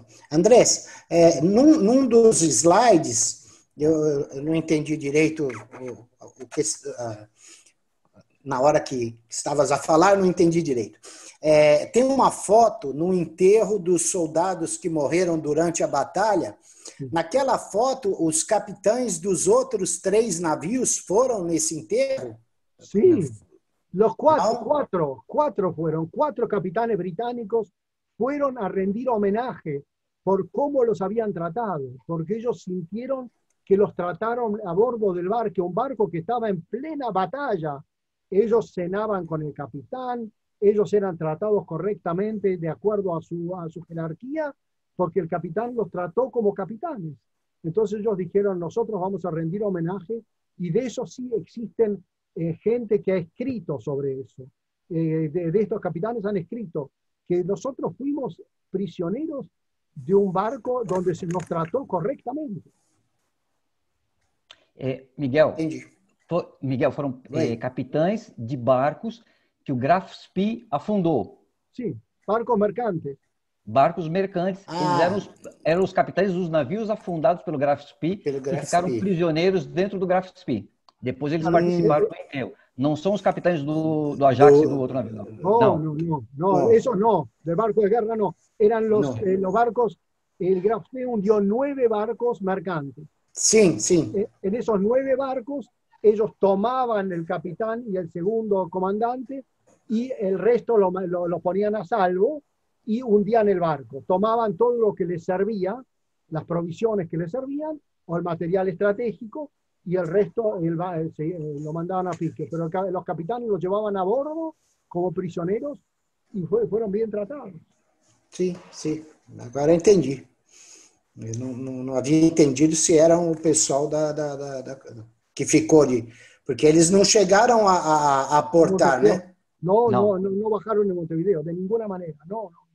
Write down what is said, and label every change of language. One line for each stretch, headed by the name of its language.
Spanish: Andrés, en uno de los slides, yo no entendí directo lo que.
Portuguese: Na hora que estavas a falar, não entendi direito. Tem uma foto no enterro dos soldados que morreram durante a batalha. Naquela foto, os capitães dos outros 3 navios foram nesse enterro? Sim, os 4 foram. 4 capitães britânicos foram a rendir homenagem por como os haviam tratado, porque eles sentiram que os trataram a bordo do barco, um barco que estava em plena batalha.
Spanish: Ellos cenaban con el capitán, ellos eran tratados correctamente de acuerdo a su jerarquía, porque el capitán los trató como capitanes. Entonces ellos dijeron, nosotros vamos a rendir homenaje, y de eso sí existen gente que ha escrito sobre eso. De estos capitanes han escrito que nosotros fuimos prisioneros de un barco donde se nos trató correctamente.
Portuguese: Miguel. Miguel, foram capitães de barcos que o Graf Spee afundou. Sim, barco mercante. barcos mercantes. Ah. Eles eram os capitães dos navios afundados pelo Graf Spee, que ficaram prisioneiros dentro do Graf Spee. Depois eles participaram do enterro. Não são os capitães do Ajax e do outro navio. Não, não. Isso não. De barco de guerra, não. Eram os barcos.
Spanish: El Graf Spee hundió 9 barcos mercantes. Sí, sí. En esos 9 barcos, ellos tomaban el capitán y el segundo comandante y el resto lo ponían a salvo y hundían el barco. Tomaban todo lo que les servía, las provisiones que les servían o el material estratégico y el resto lo mandaban a pique. Pero los capitanes los llevaban a bordo como prisioneros y fueron bien tratados. Sí, sí.
Portuguese: Agora entendi. Eu não havia entendido se eram o pessoal da que ficou ali. Porque eles não chegaram a portar, né? Não bajaram em Montevideo, de nenhuma maneira. Não.